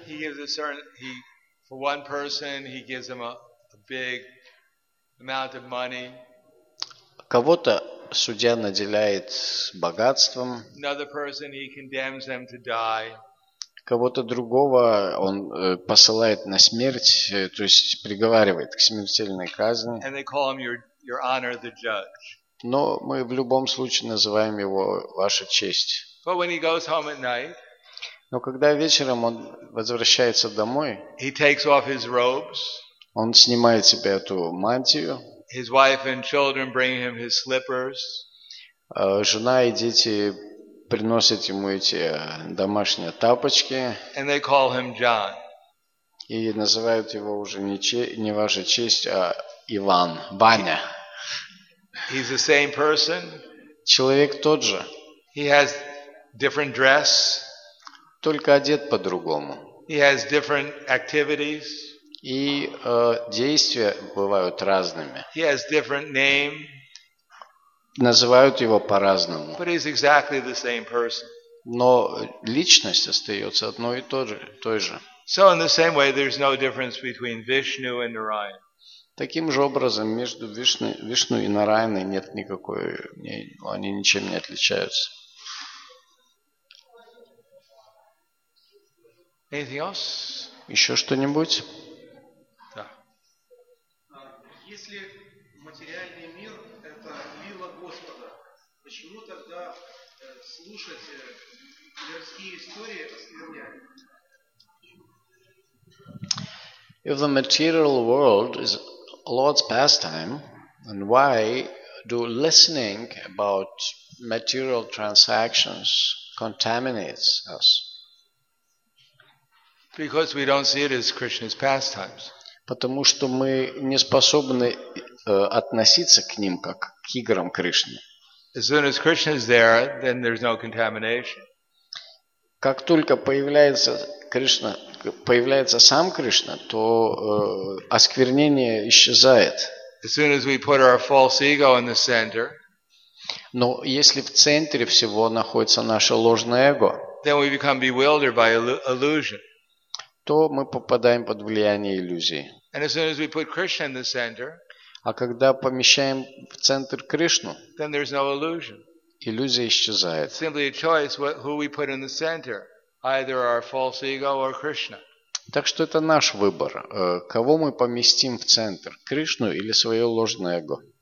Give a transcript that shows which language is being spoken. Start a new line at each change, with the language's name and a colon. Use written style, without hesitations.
English: He gives a certain, he, for one person, he gives him a big amount of money.
Russian: Кого-то судья наделяет богатством.
English: Another person, he condemns them to die.
Russian: Кого-то другого он посылает на смерть, то есть приговаривает к смертельной казни.
English: And they call him your honor, the judge.
Russian: Но мы в любом случае называем его ваша честь.
English: But when he goes home at night,
Russian: но когда вечером он возвращается домой,
English: he takes off his robes,
Russian: он снимает себе эту мантию.
English: His wife and children bring him his slippers.
Russian: Жена и дети приносят ему эти домашние тапочки.
English: And they call him John.
Russian: И называют его уже не ваша честь, а Иван, Ваня.
English: He's the same person.
Russian: Человек тот же.
English: He has different dress.
Russian: Только одет по-другому.
English: He has different activities.
Russian: И действия бывают разными.
English: He has different name.
Russian: Называют его по-разному.
English: But he's exactly the same person.
Russian: Но личность остается одной и той же.
English: So in the same way, there's no difference between Vishnu and Narayana.
Russian: Таким же образом, между Вишну и Нарайной нет никакой, они ничем не отличаются.
English: Anything else?
Russian: Еще что-нибудь? Да. Если материальный мир – это вилла Господа, почему тогда слушать мирские истории – это скверняет?
English: If the material world is Lord's pastime, and why do listening about material transactions contaminates us? Because we don't see it as Krishna's pastimes.
Russian: Потому что мы не способны относиться к ним как к играм Кришны.
English: As soon as Krishna is there, then there's no contamination.
Russian: Как только появляется Кришна, появляется сам Кришна, то осквернение исчезает.
English: As soon as we put our false ego in the center,
Russian: но если в центре всего находится наше ложное эго,
English: then we become bewildered by illusion.
Russian: То мы попадаем под влияние иллюзии.
English: And as soon as we put Krishna in the center,
Russian: а когда помещаем в центр Кришну,
English: then there's no illusion.
Russian: Иллюзия исчезает.
English: Simply a choice who we put in the center. Either our false ego or Krishna.
Russian: Так что это наш выбор, кого мы поместим в центр, Кришну или свое ложное эго.